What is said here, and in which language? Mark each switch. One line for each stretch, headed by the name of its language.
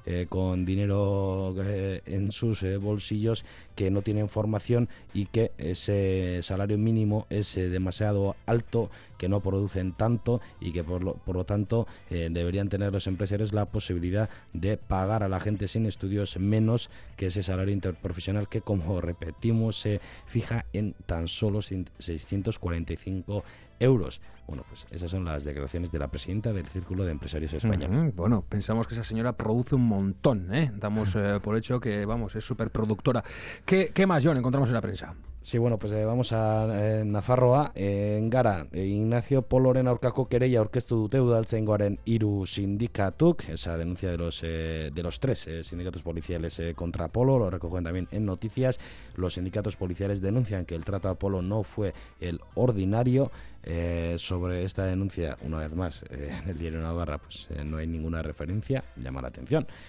Spanish: con dinero en sus bolsillos, que no tienen formación y que ese salario mínimo es demasiado alto, que no producen tanto y que por lo tanto deberían tener los empresarios la posibilidad de pagar a la gente sin estudios menos que ese salario interprofesional, que, como repetimos, se fija en tan solo 645 euros. Bueno, pues esas son las declaraciones de la presidenta del Círculo de Empresarios España. Bueno, pensamos que esa señora produce un montón, ¿eh? Damos por hecho que, es súper productora. ¿Qué más, John, encontramos en la prensa? Sí, bueno, pues vamos a Nafarroa. En Gara,
Basque: Ignacio Poloren aurkako kereia aurkeztu dute udaltzaingoaren hiru sindikatuk.
Spanish: Esa denuncia de los tres sindicatos policiales contra Polo, lo recogen también en Noticias. Los sindicatos policiales denuncian que el trato a Polo no fue el ordinario. sobre esta denuncia, una vez más, en el diario Navarra, pues no hay ninguna referencia, llama la atención.